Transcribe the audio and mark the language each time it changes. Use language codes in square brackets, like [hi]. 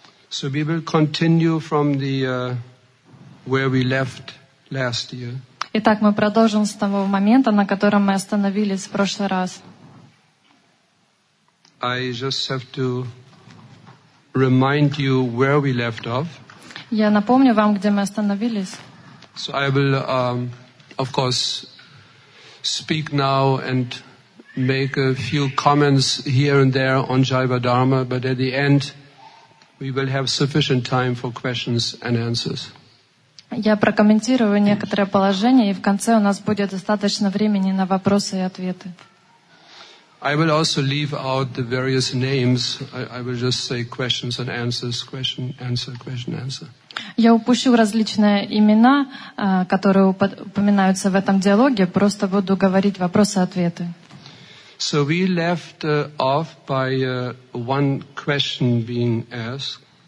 [en] So we will continue from the where we left last year. [ru] Итак, мы продолжим с того момента, на котором мы остановились в прошлый раз. [en] I just have to remind you where we left off. [ru] Я напомню вам, где мы остановились. [en] So I will, of course, speak now and make a few comments here and there on Jiva Dharma, but at the end we will have sufficient time for questions and answers. [ru] Я прокомментирую некоторые положения, и в конце у нас будет достаточно времени на вопросы и ответы. [en] I will also leave out the various names. I will just say questions and answers, question, answer, question, answer. [ru] Я упущу различные имена, которые упоминаются в этом диалоге, просто буду говорить вопросы и ответы. [en] So we left off by one question being asked.